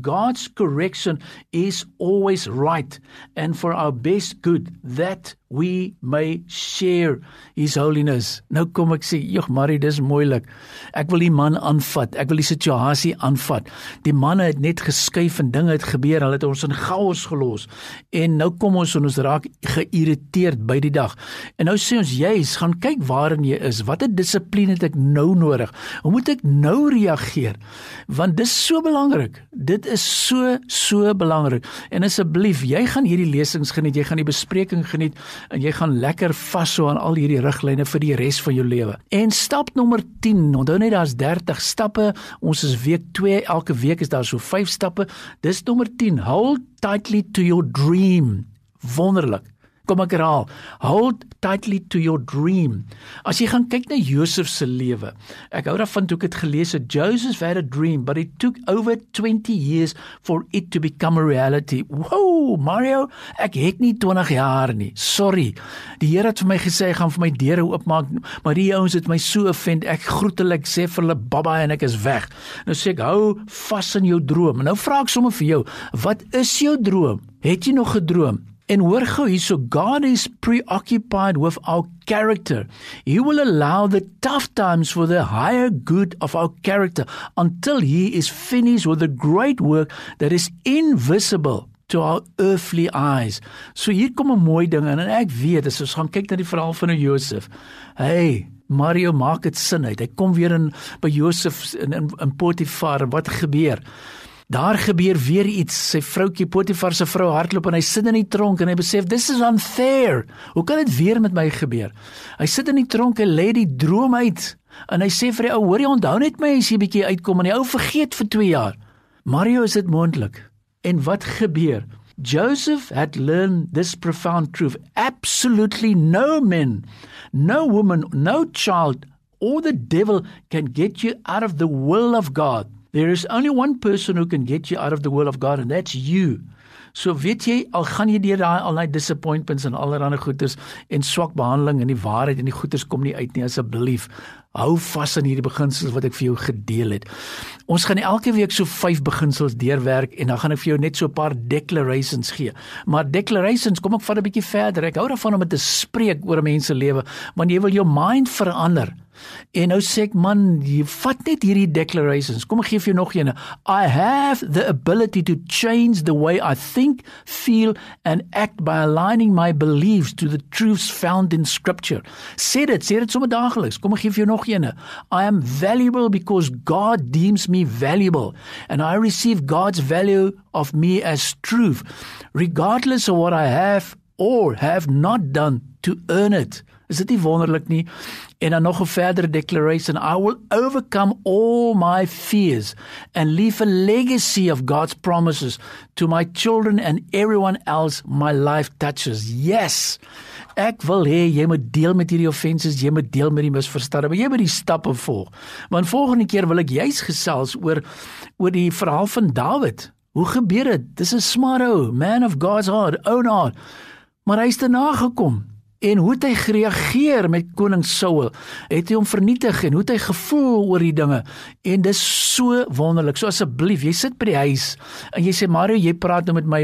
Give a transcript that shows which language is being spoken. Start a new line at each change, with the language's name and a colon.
English: God's correction is always right and for our best good that we may share His holiness.
Afrikaans: Nou kom ek sê, joh Marie, dis moeilik. Ek wil die man aanvat, ek wil die situasie aanvat. Die manne het net geskuif en dinge het gebeur, hulle het ons in chaos gelos. En nou kom ons en ons raak geïrriteerd by die dag. En nou sê ons, juist, gaan kyk waarin jy is, wat een discipline het ek nou nodig? Hoe moet ek nou reageer? Want dis so belangrik, dit is so, so belangrik. En asseblief, jy gaan hierdie lesings geniet, jy gaan die bespreking geniet, en jy gaan lekker vasthou aan al hierdie riglyne vir die res van jou lewe. En stap nommer 10, onthou net daar is 30 stappe, ons is week 2, elke week is daar so 5 stappe, dis nommer 10,
English: hold tightly to your dream,
Afrikaans: wonderlik, kom ek herhaal, hold tightly to your dream. As jy gaan kyk na Josef se lewe, ek hou daarvan toe ek het gelees,
English: Joseph had a dream, but it took over 20 years for it to become a reality.
Afrikaans: Wow, Mario, ek het nie 20 jaar nie, sorry. Die Heer het vir my gesê, hy gaan vir my deure oopmaak, maar die ouens het my so offend, ek groetelik sê vir hulle baba en ek is weg. Nou sê ek, hou vas in jou droom. Nou vraag ek sommer vir jou, wat is jou droom? Het jy nog gedroom? En hoor gauw hier, so
English: God is preoccupied with our character. He will allow the tough times for the higher good of our character until He is finished with the great work that is invisible to our earthly eyes.
Afrikaans: So hier kom 'n mooi ding in, en ek weet, as ons gaan kyk na die verhaal van Josef, hey, Mario, maak het sin uit, hy kom weer in, by Josef in Potifar, wat gebeur? Daar gebeur weer iets, sy vroukie Potifar se vrou hardloop en hy sit in die tronk en hy besef,
English: this is unfair,
Afrikaans: hoe kan dit weer met my gebeur? Hy sit in die tronk en lê die droom uit en hy sê vir die ou, hoor jy, onthou net my as jy 'n bietjie uitkom en die ou vergeet vir 2 jaar. Mario, is dit moontlik? En wat gebeur?
English: Joseph had learned this profound truth, absolutely no man, no woman, no child or the devil can get you out of the will of God. There is only one person who can get you out of the will of God, and that's you.
Afrikaans: So weet jy, al gaan jy deur daai al die disappointments en allerhande goeders en swak behandeling en die waarheid en die goeders kom nie uit nie, asseblief. Hou vas aan hierdie beginsels wat ek vir jou gedeel het. Ons gaan elke week so 5 beginsels deurwerk en dan gaan ek vir jou net so 'n paar declarations gee. Maar declarations, kom ek vat 'n bietjie verder. Ek hou daarvan om te spreek oor 'n mens se lewe, want jy wil jou mind verander. En nou sê ek, man, jy vat net hierdie declarations. Kom, ek gee vir jou nog ene.
English: I have the ability to change the way I think, feel and act by aligning my beliefs to the truths found in scripture.
Afrikaans: Sê dit sommer dageliks. Kom, ek gee vir jou nog ene.
English: I am valuable because God deems me valuable and I receive God's value of me as truth, regardless of what I have or have not done to earn it.
Afrikaans: Is dit nie wonderlik nie? En dan nog 'n verdere declaration,
English: I will overcome all my fears and leave a legacy of God's promises to my children and everyone else my life touches. Yes!
Afrikaans: Ek wil hê, jy moet deel met hierdie offenses, jy moet deel met die misverstande, maar jy moet die stappe volg. Want volgende keer wil ek juist gesels oor die verhaal van David. Hoe gebeur dit? Dis 'n smart ou,
English: man of God's heart, own heart.
Afrikaans: Maar hy is daarna gekom. En hoe het hy gereageer met koning Saul? Het hy hom vernietig en hoe het hy gevoel oor die dinge? En dis so wonderlik. So asseblief, jy sit by die huis en jy sê, Mario, jy praat nou met my.